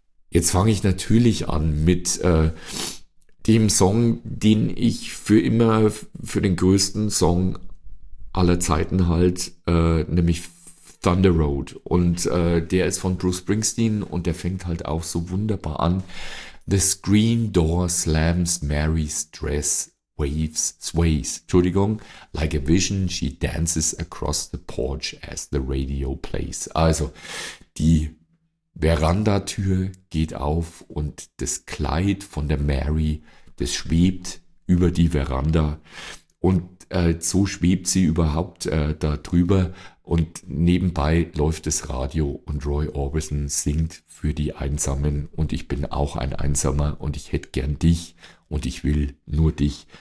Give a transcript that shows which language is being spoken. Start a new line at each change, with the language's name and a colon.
German: Jetzt fange ich natürlich an mit dem Song, den ich für immer für den größten Song aller Zeiten halt, nämlich Thunder Road. Und der ist von Bruce Springsteen und der fängt halt auch so wunderbar an.
English: The screen door slams Mary's dress sways, like a vision, she dances across the porch as the radio plays.
German: Also, die Verandatür geht auf und das Kleid von der Mary, das schwebt über die Veranda, und so schwebt sie überhaupt da drüber, Und nebenbei läuft das Radio und Roy Orbison singt für die Einsamen und ich bin auch ein Einsamer und ich hätte gern dich und ich will nur dich.